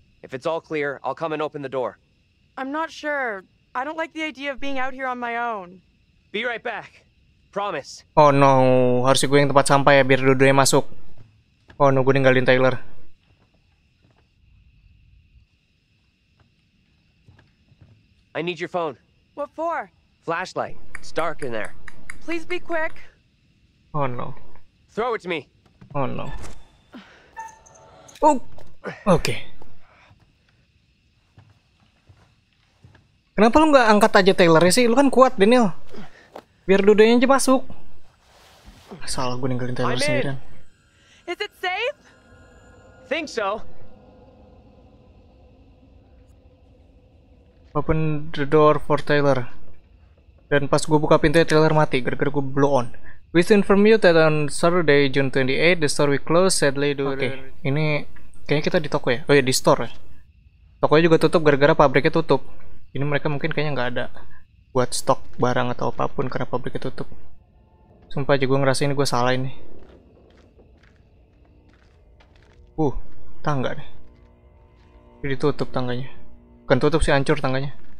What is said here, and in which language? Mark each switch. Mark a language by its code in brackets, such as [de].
[en] If it's all clear, I'll come and open the door. I'm not sure. I don't like the idea of being out here on my own. Be right back. Promise. Oh no, [id] harus gue yang tempat sampah ya biar dua-duanya masuk. [en] Oh no, [id] gue ninggalin Taylor. [en] I need your phone. What for? Flashlight. It's dark in there. Please be quick. Oh no. Throw it to me. Oh no. Okay. [id] Kenapa lu gak angkat aja Taylor-nya sih? Lu kan kuat, Daniel. Biar dudanya aja masuk. Salah gue ninggalin Taylor sendirian. [en] Is it safe? Think so. Open the door for Taylor. [id] Dan pas gue buka pintunya, Taylor mati. Gara-gara gue blow on. [en] We inform you that on Saturday, June 28, the store will close sadly. [id] Ini kayaknya kita di toko ya? Oh iya, di store ya. Tokonya juga tutup gara-gara pabriknya tutup. Ini mereka mungkin kayaknya nggak ada buat stok barang atau apapun karena pabriknya tutup. Sumpah aja gue ngerasa ini gue salah ini. Tangga nih. Jadi tutup tangganya. Bukan tutup sih, hancur tangganya.